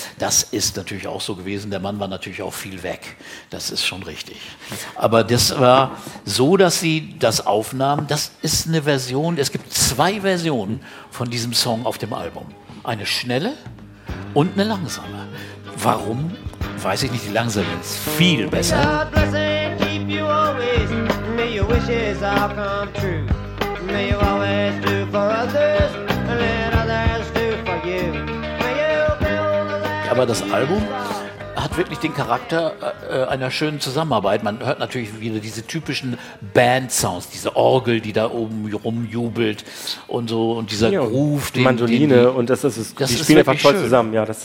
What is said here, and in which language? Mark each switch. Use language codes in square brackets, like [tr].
[de] Das ist natürlich auch so gewesen. Der Mann war natürlich auch viel weg. Das ist schon richtig. Aber das war so, dass sie das aufnahmen. Das ist eine Version, es gibt zwei Versionen von diesem Song auf dem Album. Eine schnelle und eine langsame. Warum? Weiß ich nicht, die langsame ist viel besser. [en] God bless and keep you always. May your wishes all come true. May you always do for others and let others do for you. May you build a life. [de] Aber das Album hat wirklich den Charakter einer schönen Zusammenarbeit. Man hört natürlich wieder diese typischen Band-Sounds, diese Orgel, die da oben rumjubelt und so und dieser ja, Groove. Die Mandoline und das ist spielen einfach toll zusammen. Ja, das